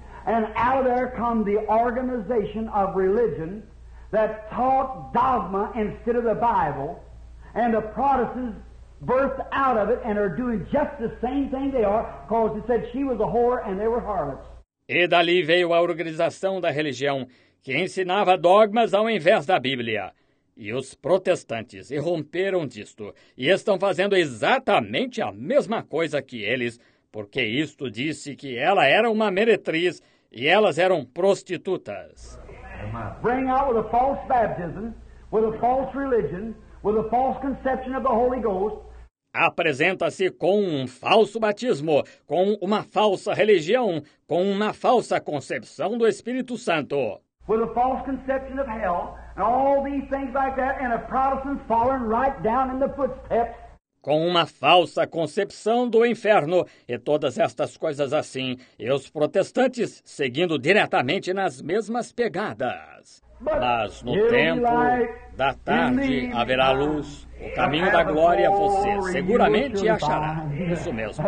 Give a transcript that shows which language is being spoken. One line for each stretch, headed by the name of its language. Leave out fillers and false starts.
English: And out of there come the organization of religion that taught dogma instead of the Bible, and the Protestants burst out of it and are doing just the same thing they are, because it said she was a whore and they were harlots.
Portuguese: E dali veio a organização da religião que ensinava dogmas ao invés da Bíblia. E os protestantes irromperam disto e estão fazendo exatamente a mesma coisa que eles, porque isto disse que ela era uma meretriz e elas eram prostitutas.
English: Bring out with a false baptism, with a false religion, with a false conception of the Holy Ghost.
Portuguese: Apresenta-se com um falso batismo, com uma falsa religião, com uma falsa concepção do Espírito Santo.
English: With a false conception of hell. And all these things like that, and a Protestant falling right down in the footsteps.
Portuguese: Com uma falsa concepção do inferno, e todas estas coisas assim, e os protestantes seguindo diretamente nas mesmas pegadas. Mas no tempo da tarde haverá luz. O caminho da glória você seguramente achará. Isso mesmo.